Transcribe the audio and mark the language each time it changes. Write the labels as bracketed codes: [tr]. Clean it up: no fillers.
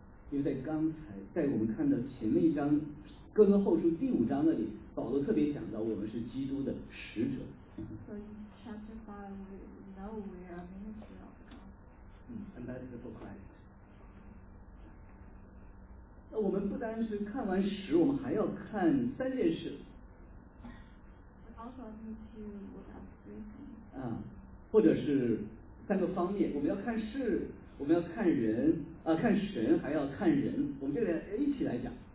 [zh] 因为在刚才，在我们看到前面一章《哥林多后书》第五章那里，保罗特别讲到我们是基督的使者。 [en] So in chapter five, we know we are ministers. Ambassador for Christ. [zh] 那我们不单是看完十，我们还要看三件事。 [en] Also need to look at three things. [zh] 或者是三个方面，我们要看事，我们要看人。看神还要看人，我们就来一起来讲。